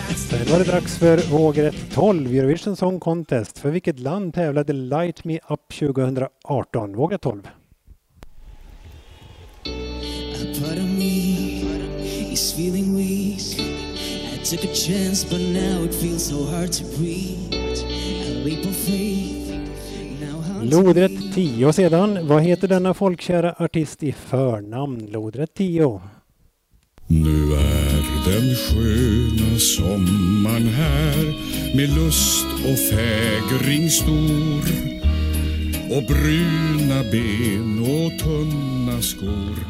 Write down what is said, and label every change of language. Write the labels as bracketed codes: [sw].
[sv] Sen var det dags för vågrätt 12, Eurovision Song Contest. För vilket land tävlade Light Me Up 2018? Vågrätt 12. [en] A part of me is feeling weak. I took a chance but now it feels so hard to breathe. A leap of faith. [sv] Lodrätt 10 sedan. Vad heter denna folkkära artist i förnamn? Lodrätt 10. Nu är den sköna sommaren här med lust och fägring stor och bruna ben och tunna skor.